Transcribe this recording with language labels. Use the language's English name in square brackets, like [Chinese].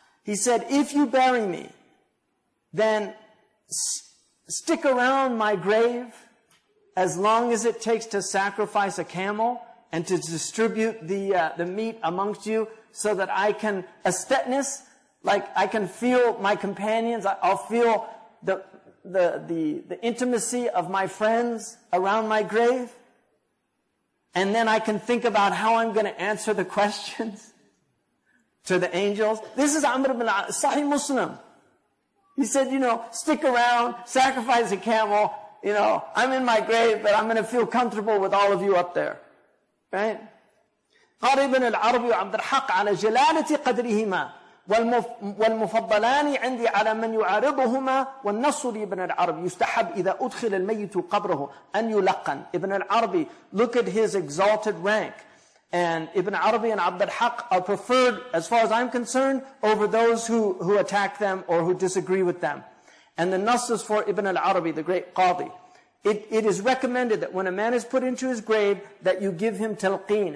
[English] He said, if you bury me, then stick around my grave as long as it takes to sacrifice a camel and to distribute the meat amongst you, so that I can astetness, like I can feel my companions, I'll feel the intimacy of my friends around my grave, and then I can think about how I'm going to answer the questions to the angels. This is Amr ibn Sahih Muslim. He said, you know, stick around, sacrifice a camel, you know, I'm in my grave, but I'm going to feel comfortable with all of you up there. Right? [Arabic] قال ابن العربي وعبد الحق على جلالة قدرهما والمفضلان عندي على من يعارضهما والنص لابن العربي يستحب إذا أدخل الميت قبره أن يلقن. [English] Ibn al-Arabi, look at his exalted rank. And Ibn Arabi and Abd al-Haq are preferred, as far as I'm concerned, over those who attack them or who disagree with them. And the nas is for Ibn al-Arabi, the great Qadi. It is recommended that when a man is put into his grave, that you give him talqeen.